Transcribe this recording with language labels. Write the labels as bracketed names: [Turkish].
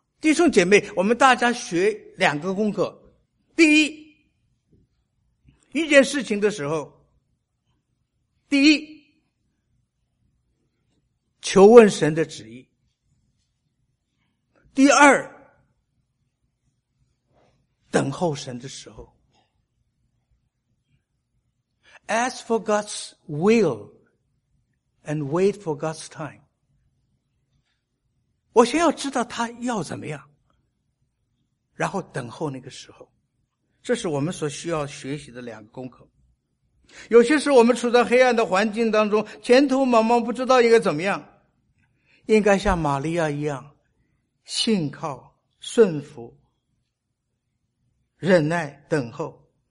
[Chinese] 弟兄姐妹，我们大家学两个功课。第一，一件事情的时候，第一，求问神的旨意；第二，等候神的时候。 [English] Ask for God's will and wait for God's time。 [Chinese] 我先要知道他要怎么样，然后等候那个时候。这是我们所需要学习的两个功课。有些时候我们处在黑暗的环境当中，前途茫茫，不知道应该怎么样，应该像玛利亚一样信靠顺服忍耐等候。